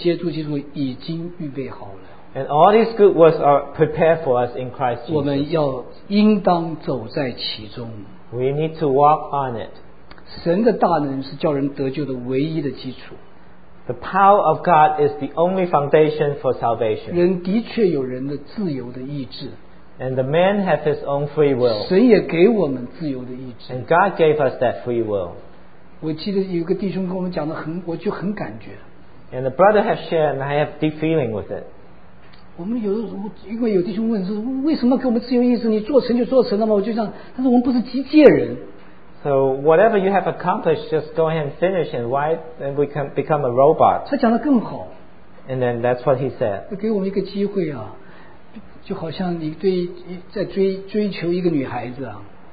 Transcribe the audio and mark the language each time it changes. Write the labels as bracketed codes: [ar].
[zh] 这许多的美善的工作是神在基督耶稣已经预备好了, [en] and all these good works are prepared for us in Christ Jesus. [zh] 我们要应当走在其中, [en] we need to walk on it. [zh] 神的大能是叫人得救的唯一的基础, [en] the power of God is the only foundation for salvation. [zh] 人的确有人的自由的意志, [en] and the man has his own free will. [zh] 神也给我们自由的意志, [en] and God gave us that free will. [zh] 我记得有个弟兄跟我们讲的很, 我就很感觉, [en] and the brother has shared and I have deep feeling with it. [zh] 我们有弟兄问说, 为什么给我们自由意志, 你做成就做成了吗, 我就这样, 但是我们不是机械人, [en] so whatever you have accomplished, just go ahead and finish, and why then we can become a robot. [zh] 他讲得更好, [en] and then that's what he said. [zh] 给我们一个机会啊, 就好像你在追求一个女孩子啊,